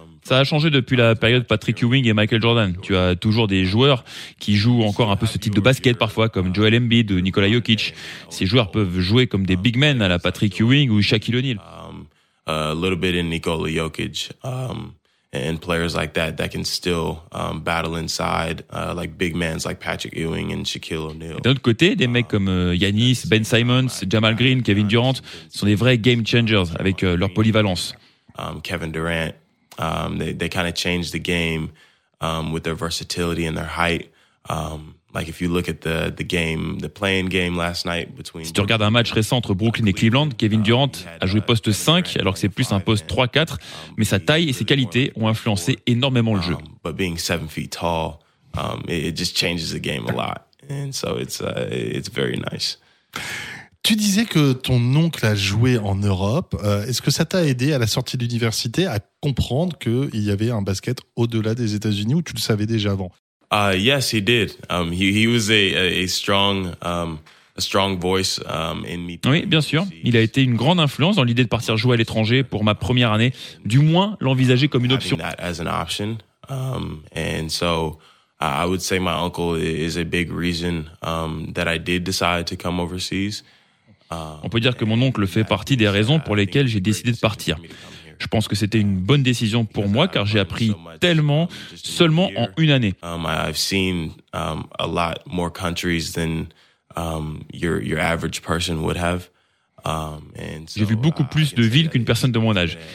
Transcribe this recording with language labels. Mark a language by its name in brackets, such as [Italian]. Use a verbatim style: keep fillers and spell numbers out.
[French] Ça a changé depuis la période Patrick Ewing et Michael Jordan. Tu as toujours des joueurs qui jouent encore un peu ce type de basket parfois, comme Joel Embiid ou Nikola Jokic. Ces joueurs peuvent jouer comme des big men à la Patrick Ewing ou Shaquille O'Neal. [English] A little bit in Nikola Jokic um, and players like that that can still um, battle inside uh, like big men like Patrick Ewing and Shaquille O'Neal. [French] Et d'un autre côté, des mecs comme euh, Giannis, Ben Simmons, Jamal Green, Kevin Durant sont des vrais game changers avec euh, leur polyvalence. [English] Um, Kevin Durant, um, they they kind of changed the game um, with their versatility and their height. Um, Like if you look at the the game, the playing game last night between. [French] Si tu regardes un match récent entre Brooklyn et Cleveland, Kevin Durant a joué poste cinq alors que c'est plus un poste trois quatre, mais sa taille et ses qualités ont influencé énormément le jeu. [English] But being seven feet tall, um, it just changes the game a lot, and so it's uh, it's very nice. [French] Tu disais que ton oncle a joué en Europe. Euh, est-ce que ça t'a aidé à la sortie de l'université à comprendre que il y avait un basket au-delà des États-Unis ou tu le savais déjà avant? [English] Uh, yes, he did. Um, he he was a a strong um, a strong voice um, in me. [French] Oui, bien sûr. Il a été une grande influence dans l'idée de partir jouer à l'étranger pour ma première année, du moins l'envisager comme une option. [English] That as an option, um, and so I would say my uncle is a big reason um, that I did decide to come overseas. [French] Uh, On peut dire que mon oncle fait partie des raisons pour lesquelles j'ai décidé de partir. Je pense que c'était une bonne décision pour moi car j'ai appris tellement seulement en une année. J'ai vu beaucoup plus de villes qu'une personne de mon âge.